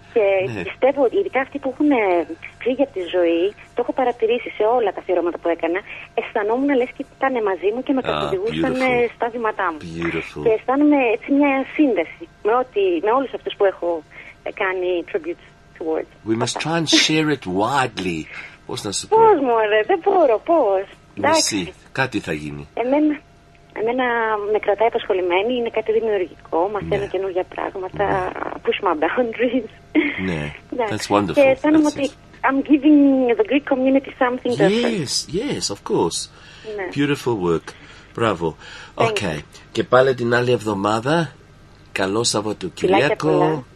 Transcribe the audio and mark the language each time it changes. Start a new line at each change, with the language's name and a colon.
Greek: και ναι. πιστεύω ότι ειδικά αυτοί που έχουν φύγει από τη ζωή, το έχω παρατηρήσει σε όλα τα αφιερώματα που έκανα, αισθανόμουν λες και ήταν μαζί μου και με καθοδηγούσαν στα βήματά μου.
English: Beautiful.
Greek: Και αισθάνομαι έτσι μια σύνδεση με όλους αυτούς που έχω.
English: We must try and share it widely.
Greek: Πώς να σου πω. Πώς μωρέ, δεν μπορώ, πώς. Εσύ, κάτι θα γίνει. Εμένα με κρατάει απασχολημένη, είναι κάτι δημιουργικό, μαθαίνω καινούργια πράγματα,
English: push my boundaries.
Greek: Ναι,
English: that's wonderful.
Greek: Και αισθάνομαι ότι
English: I'm giving the Greek community something different. Yes, yes, of course. Beautiful work. Bravo.
Greek: Okay, και πάλι την άλλη εβδομάδα, καλό Σαββατοκυριακό.